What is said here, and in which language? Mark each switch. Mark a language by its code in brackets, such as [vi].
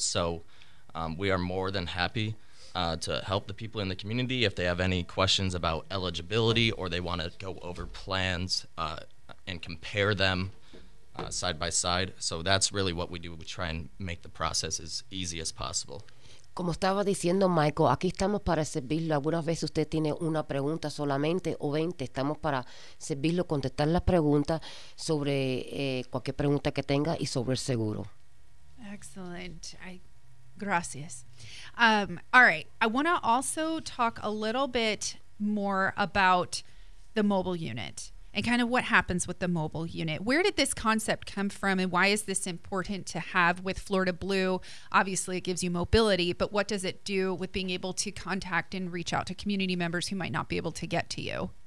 [en] So we are more than happy to help the people in the community if they have any questions about eligibility or they want to go over plans and compare them side by side. So that's really what we do. We try and make the process as easy as possible. [es] Como estaba diciendo Michael, aquí estamos para servirlo. Algunas veces usted tiene una pregunta solamente o 20. Estamos para servirlo, contestar las preguntas sobre cualquier pregunta que tenga y sobre el seguro. [en] Excellent. Gracias. All right. I want to also talk a little bit more about the mobile unit and kind of what happens with the mobile unit. Where did this concept come from and why is this important to have with Florida Blue? Obviously, it gives you mobility, but what does it do with being able to contact and reach out to community members who might not be able to get to you?